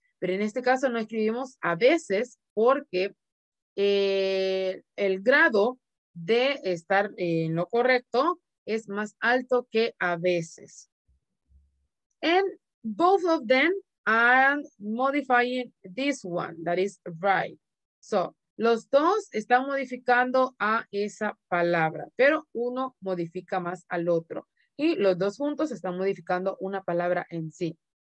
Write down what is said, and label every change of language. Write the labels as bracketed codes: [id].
[es] Pero en este caso no escribimos a veces porque el grado de estar en lo correcto es más alto que a veces. [en] And both of them are modifying this one, that is right. [es] So, los dos están modificando a esa palabra, pero uno modifica más al otro. Y los dos juntos están modificando una palabra en sí.